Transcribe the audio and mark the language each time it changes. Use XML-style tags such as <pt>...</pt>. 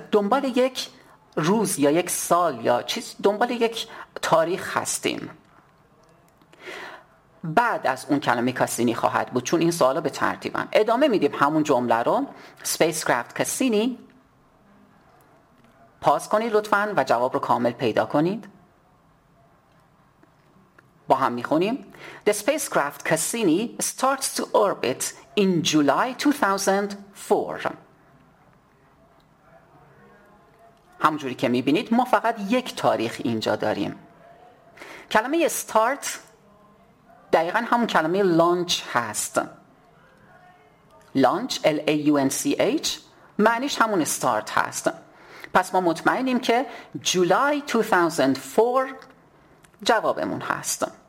<fa>دنبال یک روز یا یک سال یا چیز، دنبال یک تاریخ هستیم. بعد از اون کلمه کاسینی خواهد بود، چون این سوالا به ترتیبن. ادامه میدیم همون جمله رو. spacecraft کاسینی. پاس کنید لطفاً و جواب رو کامل پیدا کنید. با هم میخونیم.</fa> <en>The spacecraft Cassini starts to orbit in July 2004.</en> <fa>همونجوری که میبینید ما فقط یک تاریخ اینجا داریم. کلمه start دقیقا همون کلمه launch هست. Launch, L-A-U-N-C-H. معنیش همون start هست. پس ما مطمئنیم که July 2004 جوابمون هست.</fa>